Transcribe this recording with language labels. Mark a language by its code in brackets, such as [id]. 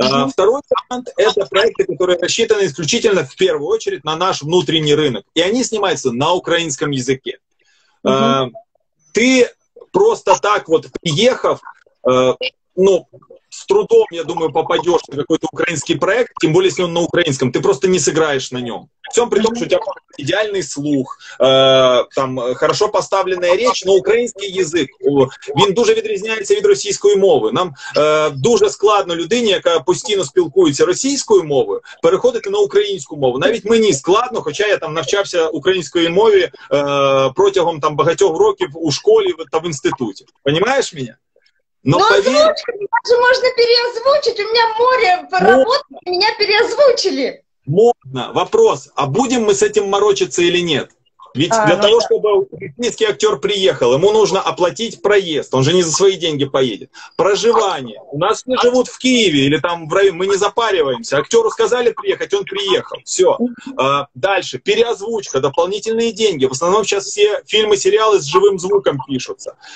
[ru] Второй вариант — это проекты, которые рассчитаны исключительно в первую очередь на наш внутренний рынок. И они снимаются на украинском языке. Просто так вот, приехав, ну, с трудом, я думаю, попадешь на какой-то украинский проект, тем более, если он на украинском, ты просто не сыграешь на нем. Всем при том, что у тебя идеальный слух, там хорошо поставленная речь, но украинский язык, [uk] він дуже відрізняється від російської мови. Нам дуже складно людині, яка постійно спілкується російською мовою, переходити на українську мову. Навіть мені складно, хоча я там навчався українською мові протягом там багатьох років у школі та в інституті. Понимаєш мене? Но озвучка, мене можна переозвучити, у мене море роботи, мене переозвучили. [ru] Модно. Вопрос, а будем мы с этим морочиться или нет? Ведь для того, чтобы украинский актер приехал, ему нужно оплатить проезд, он же не за свои деньги поедет. Проживание. У нас не живут в Киеве или там в районе, мы не запариваемся. Актеру сказали приехать, он приехал, все. Дальше, переозвучка, дополнительные деньги. В основном сейчас все фильмы, сериалы с живым звуком пишутся.